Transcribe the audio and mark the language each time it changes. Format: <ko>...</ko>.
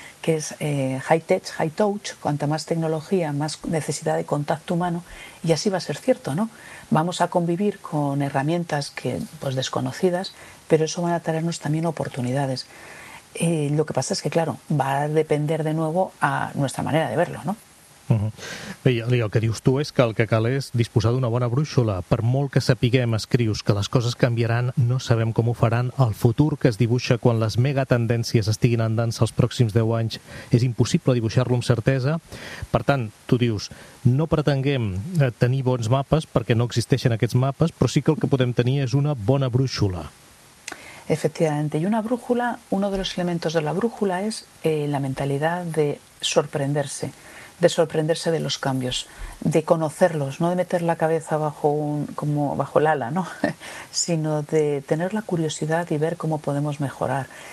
<es>Que es</es> <en>high tech, high touch,</en> <es>cuanta más tecnología, más necesidad de contacto humano, y así va a ser cierto, ¿no? Vamos a convivir con herramientas que, pues, desconocidas, pero eso van a traernos también oportunidades. Lo que pasa es que, claro, va a depender de nuevo a nuestra manera de verlo, ¿no?</es> <ca>I el que dius tu és que el que cal és disposar d'una bona brúixola. Per molt que sapiguem, escrius, que les coses canviaran, no sabem com ho faran. El futur que es dibuixa quan les megatendències estiguin en dansa els pròxims 10 anys és impossible dibuixar-lo amb certesa. Per tant, tu dius, no pretenguem tenir bons mapes perquè no existeixen aquests mapes, però sí que el que podem tenir és una bona brúixola.</ca> <es>Efectivamente, y una brújula, uno de los elementos de la brújula es la mentalidad de sorprenderse de los cambios, de conocerlos, no de meter la cabeza bajo el ala, ¿no? Sino de tener la curiosidad y ver cómo podemos mejorar.</es>